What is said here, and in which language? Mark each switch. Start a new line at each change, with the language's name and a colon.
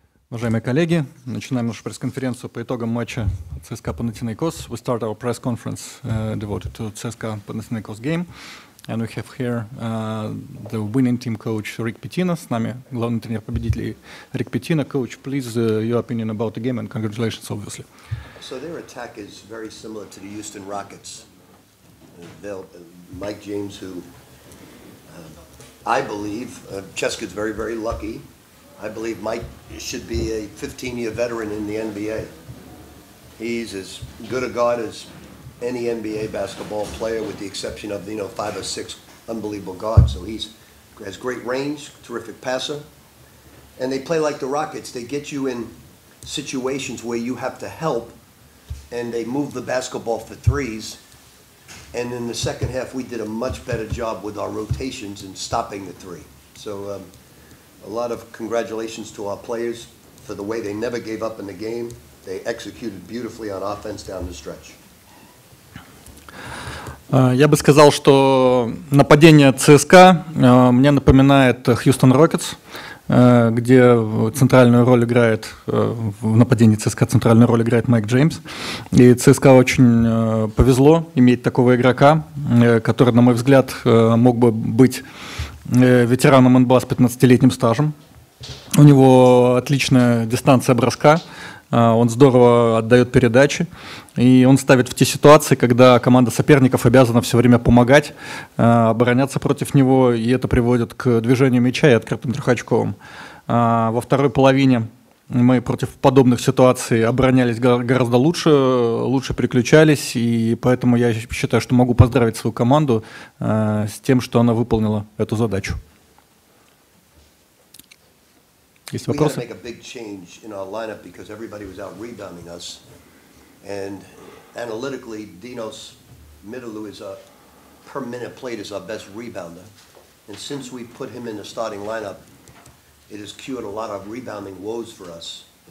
Russian: Уважаемые коллеги, начинаем нашу пресс-конференцию по итогам матча ЦСКА-Панатинайкос.
English: We start our press conference devoted to ЦСКА-Панатинайкос game. And we have here the winning team coach Rick Pitino.
Russian: С нами главный тренер победителей Rick Pitino.
English: Coach, please, your opinion about the game and congratulations, obviously. So their attack is very similar to the Houston Rockets. Mike James, who I believe, Cheska is very, very lucky. I believe Mike should be a 15-year veteran in the NBA. He's as good a guard as any NBA basketball player, with the exception of, you know, five or six unbelievable guards. So he's has great range, terrific passer. And they play like the Rockets. They get you in situations where you have to help, and they move the basketball for threes. And in the second half, we did a much better job with our rotations and stopping the three. So a lot of congratulations to our players for the way they never gave up in the game. They executed beautifully on offense down the stretch.
Russian: Я бы сказал, что нападение ЦСКА мне напоминает Houston Rockets, где центральную роль играет в нападении ЦСКА центральную роль играет Майк Джеймс. И ЦСКА очень повезло иметь такого игрока, который, на мой взгляд, мог бы быть ветераном НБА с 15-летним стажем. У него отличная дистанция броска. Он здорово отдает передачи, и он ставит в те ситуации, когда команда соперников обязана все время помогать, обороняться против него, и это приводит к движению мяча и открытым трехочковым. Во второй половине мы против подобных ситуаций оборонялись гораздо лучше, лучше переключались, и поэтому я считаю, что могу поздравить свою команду с тем, что она выполнила эту задачу.
English: We had to make a big change in our lineup because everybody was out rebounding us. And analytically, Dinos Mitoulou is a per minute played as our best rebounder. And since we put him in the starting lineup, it has cured a lot of rebounding woes for us.